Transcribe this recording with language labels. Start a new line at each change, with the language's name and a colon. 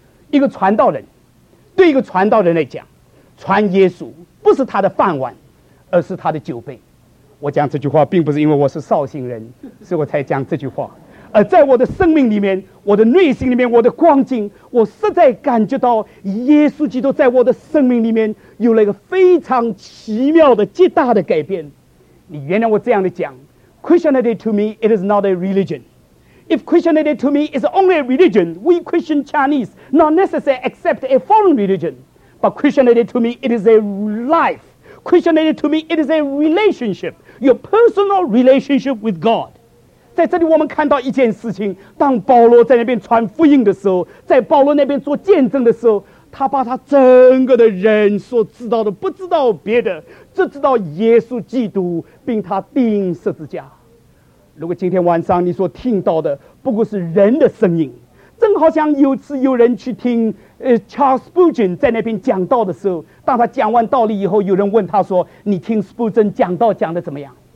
Chinese: 一个传道人，对一个传道人来讲，传耶稣不是他的饭碗，而是他的酒杯。我讲这句话并不是因为我是绍兴人，所以我才讲这句话。而在我的生命里面，我的内心里面，我的光景，我实在感觉到耶稣基督在我的生命里面有了一个非常奇妙的极大的改变。你原谅我这样的讲，
English: Christianity to me, it is not a religion. If Christianity to me is only a religion, we Christian Chinese not necessarily accept a foreign religion. But Christianity to me, it is a life. Christianity to me, it is a relationship, your personal relationship with God.
Chinese: 在这里我们看到一件事情，当保罗在那边传福音的时候，在保罗那边做见证的时候，他把他整个的人所知道的不知道别的，只知道耶稣基督并他钉十字架。如果今天晚上你所听到的不过是人的声音，正好像有次有人去听Charles Spurgeon 在那边讲道的时候，当他讲完道理以后，有人问他说，你听 Spurgeon 讲道讲得怎么样？